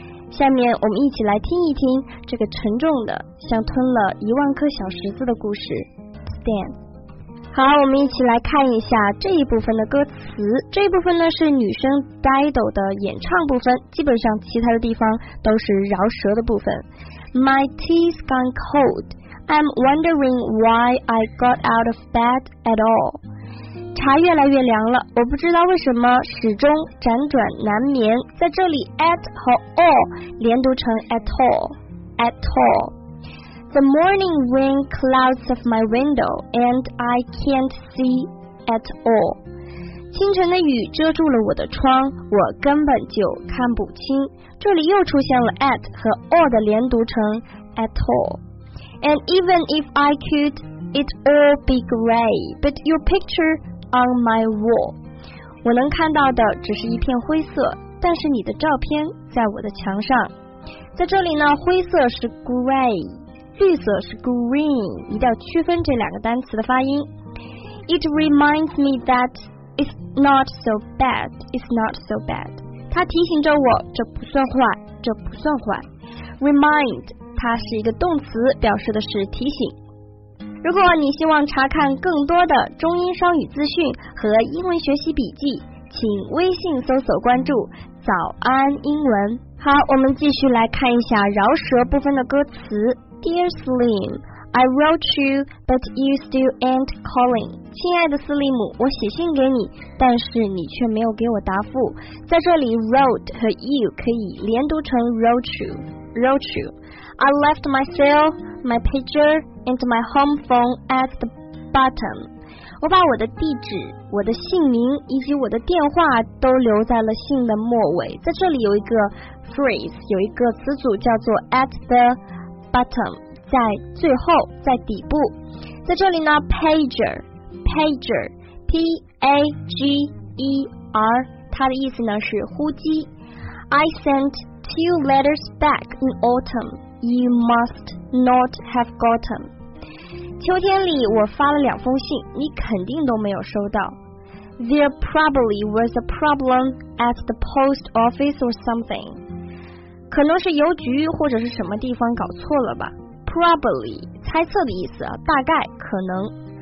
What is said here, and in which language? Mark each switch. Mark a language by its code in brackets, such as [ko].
[zh] 下面我们一起来听一听这个沉重的像吞了一万颗小石子的故事 Stan。好，我们一起来看一下这一部分的歌词。这一部分呢是女生 Dido 的演唱部分，基本上其他的地方都是饶舌的部分。 [en] My teeth gone cold, I'm wondering why I got out of bed at all。 [zh] 茶越来越凉了，我不知道为什么始终辗转难眠。在这里 at 和 all 连读成 at all， at all。 [en] The morning rain clouds of my window and I can't see at all。 [zh] 清晨的雨遮住了我的窗，我根本就看不清。这里又出现了 at 和 all 的连读成 at all。 [en] And even if I could it all be gray but your pictureOn my wall， [zh] 我能看到的只是一片灰色，但是你的照片在我的墙上。在这里呢，灰色是 gray， 绿色是 green， 一定要区分这两个单词的发音。 [en] It reminds me that it's not so bad， it's not so bad， [zh] 它提醒着我这不算坏，这不算坏。 Remind 它是一个动词，表示的是提醒。如果你希望查看更多的中英双语资讯和英文学习笔记，请微信搜索关注早安英文。好，我们继续来看一下饶舌部分的歌词。 [en] Dear Slim, I wrote you but you still ain't calling。 [zh] 亲爱的斯利姆，我写信给你，但是你却没有给我答复。在这里 wrote 和 you 可以连读成 wrote you。 [en] I left my cell, my pager, and my home phone at the bottom。 [zh] 我把我的地址、我的姓名以及我的电话都留在了信的末尾。在这里有一个 phrase， 有一个词组叫做 at the bottom， 在最后，在底部。在这里呢 pager P-A-G-E-R， 它的意思呢是呼机。 [en] I sent two letters back in autumnYou must not have gotten。 [zh] 秋天里我发了两封信，你肯定都没有收到。 [en] There probably was a problem at the post office or something。 [zh] 可能是邮局或者是什么地方搞错了吧。Probably 猜测的意思，大概可能。